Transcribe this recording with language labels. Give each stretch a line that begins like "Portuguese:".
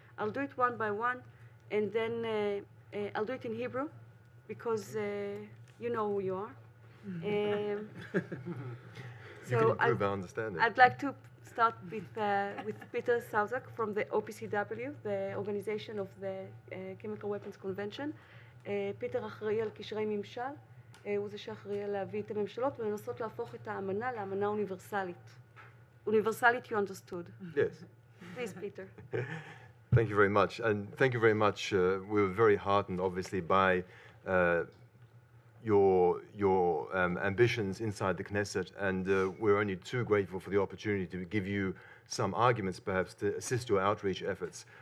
English: I'll do it one by one, and then I'll do it in Hebrew, because you know who you are. so you can improve our understanding. I'd like to start with Peter Salzak from the OPCW, the Organization of the Chemical Weapons Convention.
Hebrew: Peter אחראי על קשרי ממשל, הוא זה שאחראי להביא את הממשלות ולנסות להפוך את האמנה לאמנה אוניברסלית.
English: אוניברסלית, you understood. Yes. Please, Peter. Thank you very much, and thank you very much. We were very heartened, obviously, by your ambitions inside the Knesset, and we're only too grateful for the opportunity to give you some arguments, perhaps, to assist your outreach efforts.